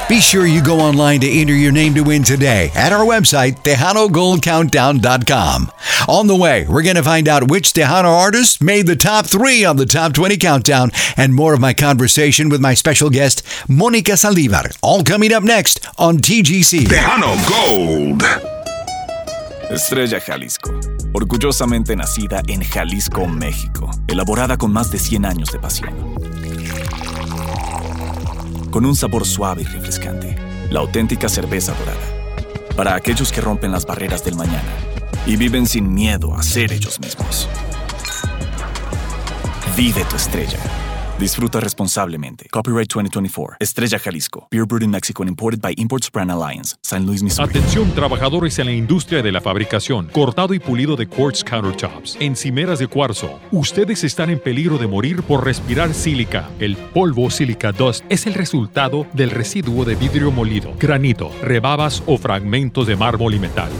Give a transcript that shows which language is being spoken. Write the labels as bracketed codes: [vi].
[en] Be sure you go online to enter your name to win today at our website, TejanoGoldCountdown.com. On the way, we're going to find out which Tejano artist made the top 3 on the Top 20 Countdown and more of my conversation with my special guest, Monica Saldivar, all coming up next on TGC. Tejano Gold. [es] Estrella Jalisco, orgullosamente nacida en Jalisco, México, elaborada con más de 100 años de pasión. Con un sabor suave y refrescante, la auténtica cerveza dorada. Para aquellos que rompen las barreras del mañana y viven sin miedo a ser ellos mismos. Vive tu estrella. Disfruta responsablemente. Copyright 2024. Estrella Jalisco. [en] Beer brewed in Mexico and imported by Imports Brand Alliance. San Luis, Missouri. [es] Atención, trabajadores en la industria de la fabricación, cortado y pulido de [en] quartz countertops, [es] encimeras de cuarzo. Ustedes están en peligro de morir por respirar sílica. El polvo sílica dust es el resultado del residuo de vidrio molido, granito, rebabas o fragmentos de mármol y metal.